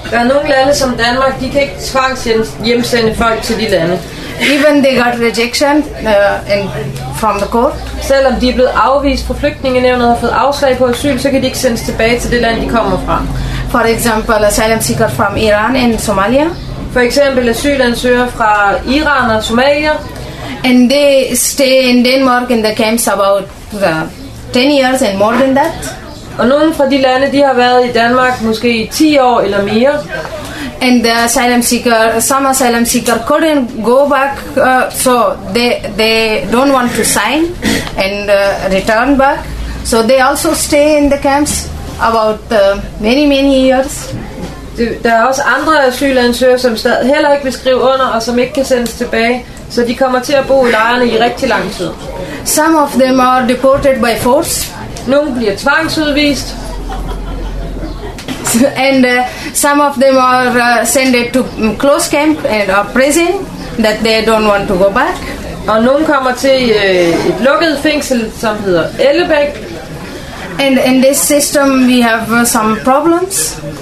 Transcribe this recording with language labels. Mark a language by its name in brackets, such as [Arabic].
[Danish] Der er nogle lande som Danmark, de kan ikke tvangshjemsende folk til de lande. [English] Even they got rejection from the court. [Danish] Selvom de er blevet afvist fra flygtningenævnet og fået afslag på asyl, så kan de ikke sendes tilbage til det land, de kommer fra. For eksempel [English] asylum seeker from Iran and Somalia. [Danish] For eksempel asylansøger fra Iran og Somalia. [English] And they stay in Denmark in the camps about 10 years and more than that. [Danish] Og nogle fra de lande, de har været i Danmark måske i 10 år eller mere. [English] And the asylum seeker, some asylum seeker couldn't go back, so they don't want to sign and return back. So they also stay in the camps about many years. [Danish] Der er også andre asylansøgere, som heller ikke vil skrive under og som ikke kan sendes tilbage. Så de kommer til at bo i lejrene i rigtig lang tid. [English] Some of them are deported by force. [Danish] Nogle bliver tvangsudvist. [English] And some of them are sent to close camp and or prison that they don't want to go back. [Danish] Og nogle kommer til et lukket fængsel, som hedder Ellebæk. [English] And in this system we have some problems.